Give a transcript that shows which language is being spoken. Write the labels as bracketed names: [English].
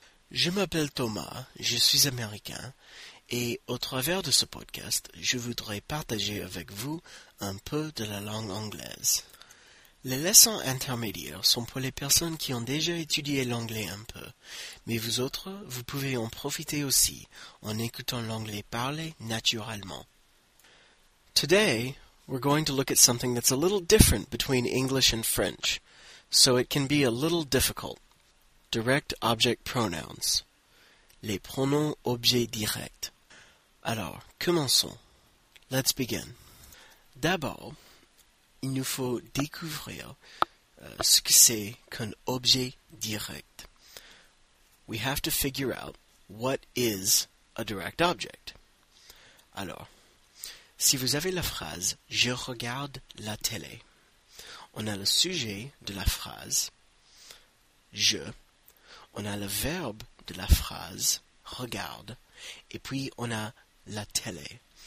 [French] Je m'appelle Thomas, je suis américain, et au travers de ce podcast, je voudrais partager avec vous un peu de la langue anglaise. Les leçons intermédiaires sont pour les personnes qui ont déjà étudié l'anglais un peu, mais vous autres, vous pouvez en profiter aussi en écoutant l'anglais parler naturellement. [English] Today, we're going to look at something that's a little different between English and French, so it can be a little difficult. Direct object pronouns. [French] Les pronoms objets directs. Alors, commençons. [English] Let's begin. [French] D'abord, il nous faut découvrir ce que c'est qu'un objet direct. [English] We have to figure out what is a direct object. [French] Alors, si vous avez la phrase « Je regarde la télé », on a le sujet de la phrase « Je », on a le verbe de la phrase « Regarde », et puis on a la télé.